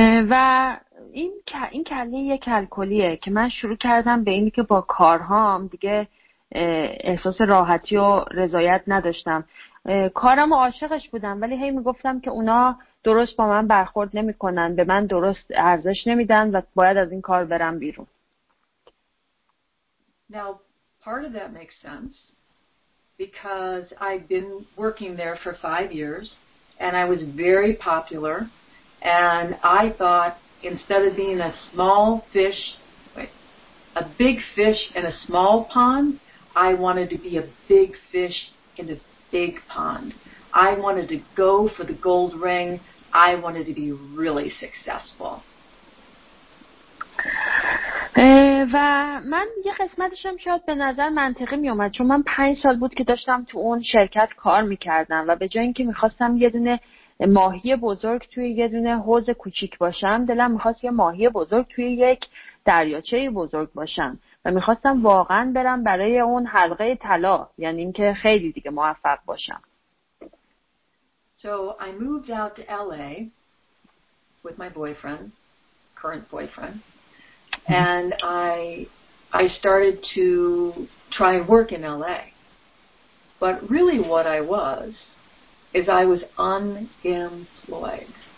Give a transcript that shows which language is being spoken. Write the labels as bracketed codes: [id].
[fa] و این کلیه یک الکلیه که من شروع کردم به اینی که با کارهام دیگه احساس راحتی و رضایت نداشتم. کارم و عاشقش بودم، ولی هی میگفتم که اونا درست با من برخورد نمی کنن، به من درست ارزش نمیدن و باید از این کار برم بیرون. [en] Now, part of that makes sense because I've been working there for 5 years and I was very popular and I thought instead of being a small fish, a big fish in a small pond, I wanted to be a big fish in a big pond. I wanted to go for the gold ring. I wanted to be really successful. [fa] و من یه قسمتشم شاید به نظر منطقی می اومد، چون من 5 سال بود که داشتم تو اون شرکت کار میکردم و به جای اینکه میخواستم یه دونه ماهی بزرگ توی یه دونه حوض کوچیک باشم، دلم میخواست یه ماهی بزرگ توی یک دریاچه بزرگ باشم و میخواستم واقعا برم برای اون حلقه طلا، یعنی اینکه خیلی دیگه موفق باشم. [en] So I moved out to LA with my boyfriend, current boyfriend, and I started to try and work in LA. But really what I was is I was unemployed.